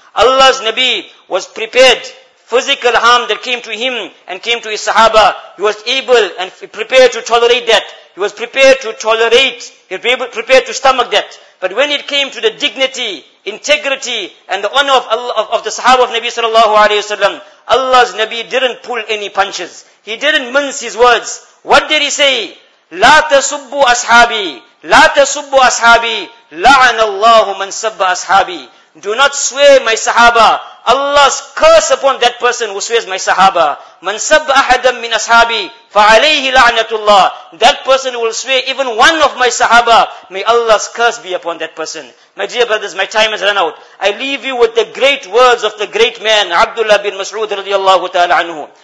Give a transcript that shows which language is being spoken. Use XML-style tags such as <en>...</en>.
<en>Allah's Nabi was prepared. Physical harm that came to him and came to his sahaba, he was able and prepared to tolerate that. He was prepared to tolerate, he was able, prepared to stomach that. But when it came to the dignity, integrity, and the honor of Allah, of the sahaba of Nabi sallallahu alayhi wa sallam, Allah's Nabi didn't pull any punches. He didn't mince his words. What did he say?</en> <ar>لا تسبوا أصحابي لا تسبوا أصحابي لعن الله من سب أصحابي.</ar> <en>Do not swear my sahaba. Allah's curse upon that person who swears my sahaba. Man sab ahadam min ashabi, fa alayhi la'natullah. That person will swear even one of my sahaba. May Allah's curse be upon that person. My dear brothers, my time has run out. I leave you with the great words of the great man, Abdullah bin Mas'ud radiallahu ta'ala anhu.</en>